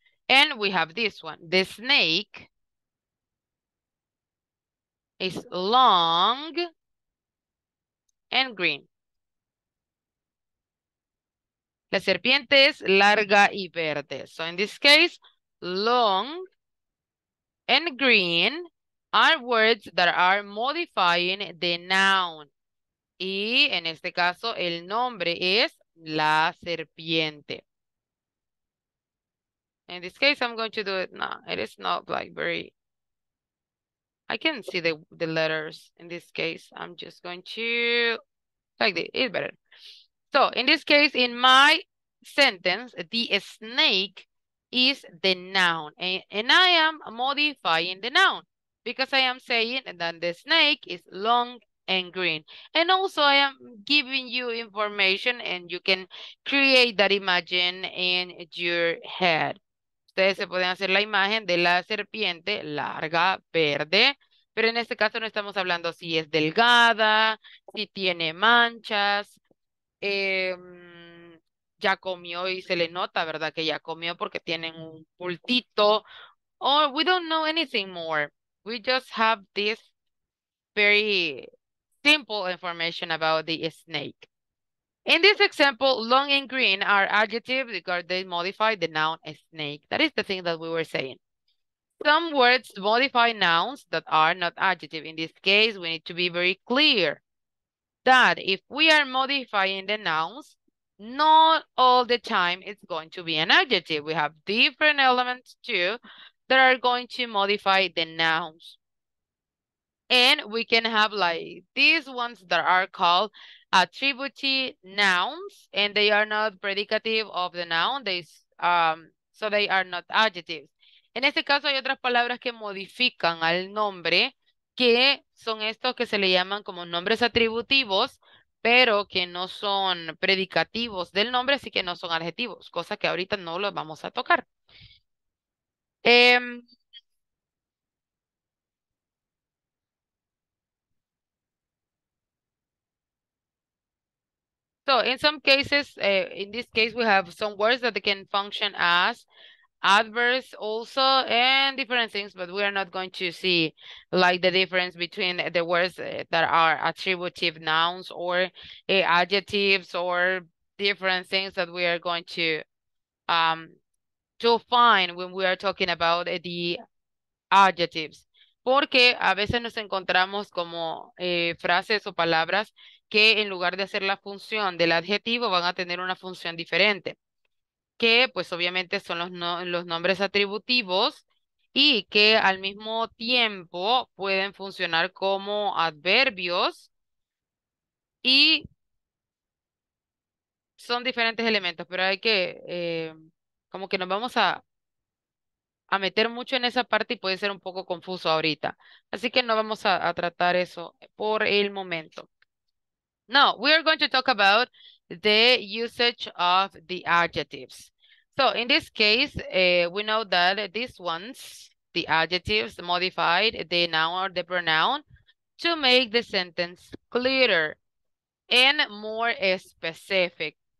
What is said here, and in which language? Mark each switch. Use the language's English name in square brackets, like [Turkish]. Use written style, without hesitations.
[English] And we have this one. The snake is long and green. [Spanish] La serpiente es larga y verde. [English] So in this case, long and green are words that are modifying the noun. [Spanish] Y en este caso, el nombre es la serpiente. [English] In this case, I'm going to do it. No, it is not like very. I can see the letters in this case. I'm just going to like this. It's better. So in this case, in my sentence, the snake is the noun. And I am modifying the noun because I am saying that the snake is long and green. And also I am giving you information and you can create that imagine in your head. [Spanish] Ustedes se pueden hacer la imagen de la serpiente larga, verde, pero en este caso no estamos hablando si es delgada, si tiene manchas, ya comió y se le nota, ¿verdad? Que ya comió porque tienen un bultito. [English] Or we don't know anything more. We just have this very simple information about the snake. In this example, long and green are adjectives because they modify the noun snake. That is the thing that we were saying. Some words modify nouns that are not adjective. In this case, we need to be very clear that if we are modifying the nouns, not all the time it's going to be an adjective. We have different elements too that are going to modify the nouns. And we can have like these ones that are called attributive nouns, and they are not predicative of the noun. So they are not adjectives. [Spanish] En este caso hay otras palabras que modifican al nombre, que son estos que se le llaman como nombres atributivos, pero que no son predicativos del nombre, así que no son adjetivos, cosa que ahorita no los vamos a tocar. [English] So in some cases, in this case, we have some words that can function as adverbs also and different things, but we are not going to see like the difference between the words that are attributive nouns or adjectives or different things that we are going to find when we are talking about the adjectives. [Spanish] Porque a veces nos encontramos como frases o palabras que en lugar de hacer la función del adjetivo van a tener una función diferente, que pues obviamente son los nombres atributivos y que al mismo tiempo pueden funcionar como adverbios y son diferentes elementos, pero hay que, como que nos vamos a meter mucho en esa parte y puede ser un poco confuso ahorita. Así que no vamos a tratar eso por el momento. [English] Now, we are going to talk about the usage of the adjectives. So, in this case, we know that these ones, the adjectives, modified the noun or the pronoun to make the sentence clearer and more specific.